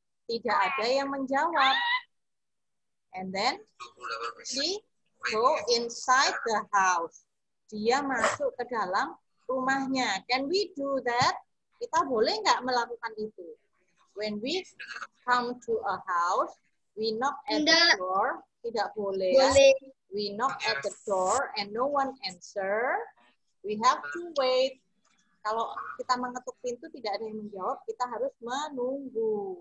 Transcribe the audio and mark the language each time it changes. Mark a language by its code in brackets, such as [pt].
[id] Tidak ada yang menjawab. [en] And then, she go inside the house. [id] Dia masuk ke dalam rumahnya. [en] Can we do that? [id] Kita boleh nggak melakukan itu? [en] When we come to a house, we knock at the door. [id] Tidak boleh. Boleh. [en] We knock at the door and no one answer. We have to wait. [id] Kalau kita mengetuk pintu, tidak ada yang menjawab, kita harus menunggu.